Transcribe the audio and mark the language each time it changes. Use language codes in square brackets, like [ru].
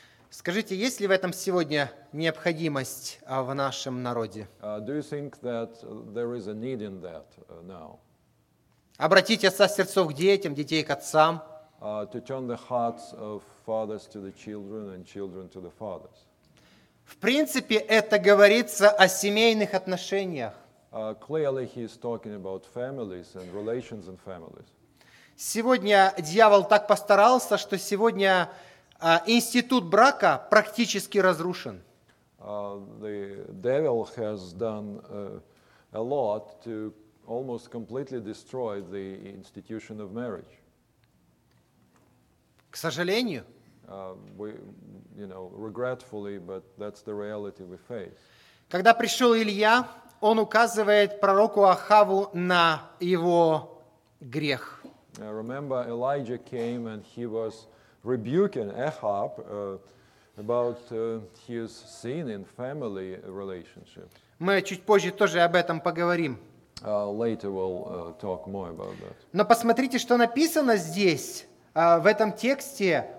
[ru] Скажите, есть ли в этом сегодня необходимость в нашем народе? [en] Do you think that there is a need in that now? [ru] Обратить отца сердцов к детям, детей к отцам. [en] To turn the hearts of fathers to the children and children to the fathers. [ru] В принципе, это говорится о семейных отношениях. [en] Clearly, he is talking about families and relations and families. [ru] Сегодня дьявол так постарался, что сегодня институт брака практически разрушен. [en] The devil has done a lot to almost completely destroy the institution of marriage. [ru] К сожалению. [en] Regretfully, but that's the reality we face. [ru] Когда пришел Илья, он указывает пророку Ахаву на его грех. [en] Remember, Elijah came and he was rebuking Ahab about his sin in family relationship. [ru] Мы чуть позже тоже об этом поговорим. [en] Later we'll talk more about that. [ru] Но посмотрите, что написано здесь, в этом тексте.